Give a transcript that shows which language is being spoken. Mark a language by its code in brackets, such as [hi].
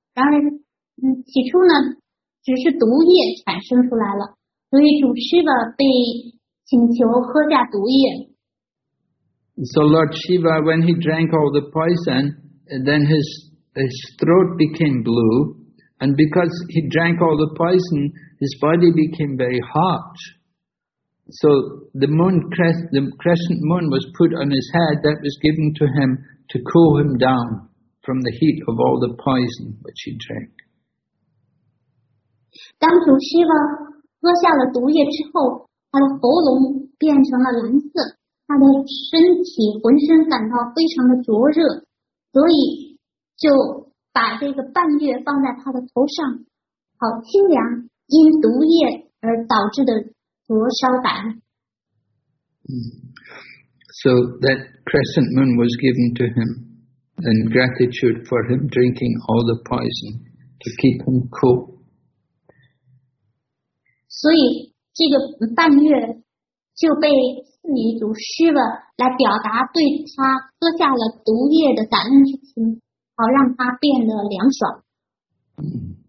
[zh] 然而，起初呢，只是毒液产生出来了，所以主 Shiva 被请求喝下毒液。 [en] So Lord Shiva, when he drank all the poison,And then his throat became blue, and because he drank all the poison, his body became very hot. So the moon, the crescent moon was put on his head that was given to him to cool him down from the heat of all the poison which he drank. [zh] 当主希瓦喝下了毒液之后，他的喉咙变成了蓝色，他的身体浑身感到非常的灼热，所以就把这个半月放在他的头上，好清凉，因毒液而导致的灼烧感。 [en] So that crescent moon was given to him in gratitude for him drinking all the poison to keep him cool. [zh] 所以这个半月就被赐予祖师了，来表达对他喝下了毒液的感恩之情，好让他变得凉爽。